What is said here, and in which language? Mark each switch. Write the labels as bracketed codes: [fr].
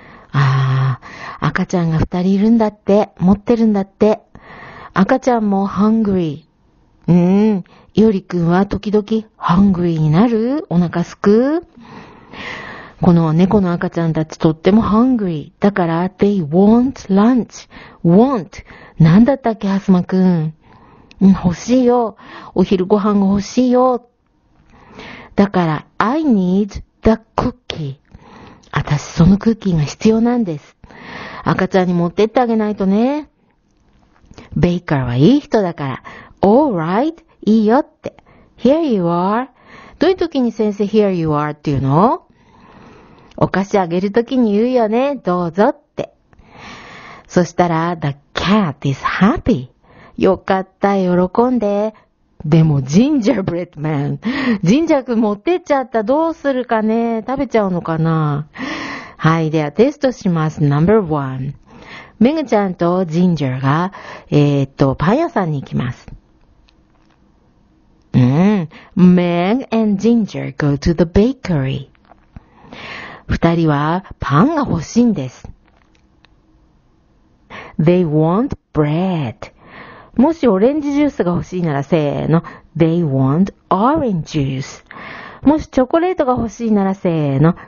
[ja] ああ、赤ちゃんが二人いるんだって、持ってるんだって。赤ちゃんも hungry。ヨリくんは時々 hungry になる？お腹すく？この猫の赤ちゃんたちとっても hungry。だから [en] they want lunch。 want。 [ja] なんだったっけ、ハスマくん。欲しいよ。お昼ご飯が欲しいよ。だから [en] I need the cookie。 [ja] 私そのクッキーが必要なんです。赤ちゃんに持ってってあげないとね。ベイカーはいい人だから。 [en] All right。 [ja] いいよって。 [en] Here you are。 [ja] どういう時に先生 [en] here you are [ja] っていうの？お菓子あげるときに言うよね。どうぞって。そしたら、 [en] the cat is happy. [ja] よかった、喜んで。でも、ジンジャーブレッドマン。ジンジャー君持ってっちゃった。どうするかね。食べちゃうのかな。はい、ではテストします。 [en] Number one。 [ja] メグちゃんとジンジャーが、パン屋さんに行きます。 [en] Meg and Ginger go to the bakery. [ja] 二人はパンが欲しいんです。 [en] They want bread. [ja] もしオレンジジュースが欲しいならせーの。 [en] They want orange juice. [ja] もしチョコレートが欲しいならせーの。